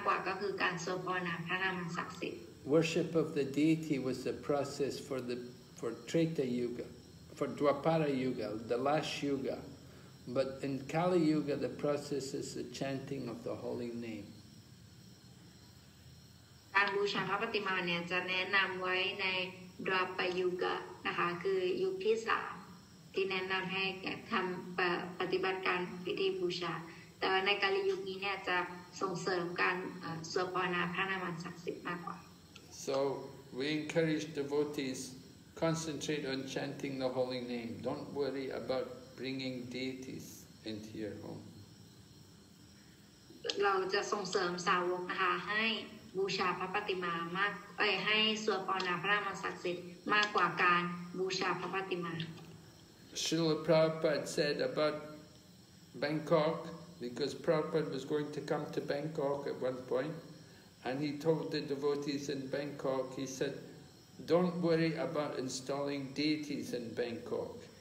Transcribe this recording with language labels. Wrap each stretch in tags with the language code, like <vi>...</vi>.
<th>สำหรับในยุคปัจจุบันนะคะที่เราอยู่เนี่ยมากกว่าการบูชาพระปฏิมาเนี่ยความสำคัญมากกว่าก็คือการสวดพรนามพระนามศักดิ์สิทธิ์</th> <en>Worship of the deity was the process for Treta Yuga, for Dwapara Yuga, the last Yuga. But in Kali Yuga, the process is the chanting of the holy name.</en> <th>การบูชาพระปฏิมาเนี่ยจะแนะนำไว้ในดรอปปยุกะนะคะคือยุคที่สามที่แนะนำให้ทำปฏิบัติการพิธีบูชาแต่ในกาลยุคนี้เนี่ยจะส่งเสริมการสวดพรนามพระนามศักดิ์สิทธิ์มากกว่า</th> <en>So we encourage devotees concentrate on chanting the holy name. Don't worry about bringing deities into your home.</en> <th>เราจะส่งเสริมสาวกนะคะให้ บูชาพระปฏิมามากให้สวดพรนามพระนามศักดิ์สิทธิ์มากกว่าการบูชาพระปฏิมา</th> <en>Srila Prabhupada said about Bangkok, because Prabhupada was going to come to Bangkok at one point, and he told the devotees in Bangkok, he said, don't worry about installing deities in Bangkok.</en>